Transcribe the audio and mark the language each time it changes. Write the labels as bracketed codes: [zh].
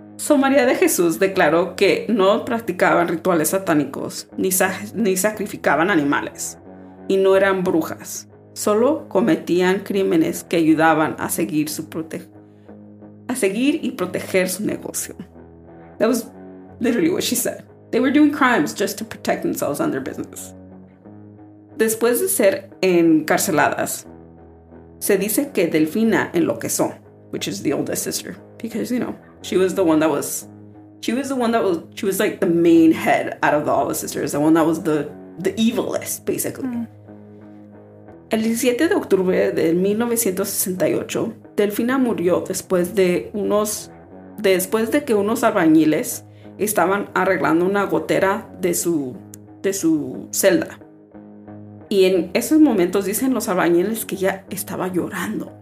[es] So María de Jesús declaró que no practicaban rituales satánicos ni sacrificaban animales y no eran brujas. Solo cometían crímenes que ayudaban a seguir su proteger su negocio. [en] That was literally what she said. They were doing crimes just to protect themselves and their business. [es] Después de ser encarceladas, se dice que Delfina enloqueció, [en] which is the oldest sister, because, you know, she was like the main head out of all the sisters, the one that was the evilest, basically. Mm. [es] El 17 de octubre de 1968, Delfina murió después de que unos albañiles estaban arreglando una gotera de su celda. Y en esos momentos dicen los albañiles que ella estaba llorando.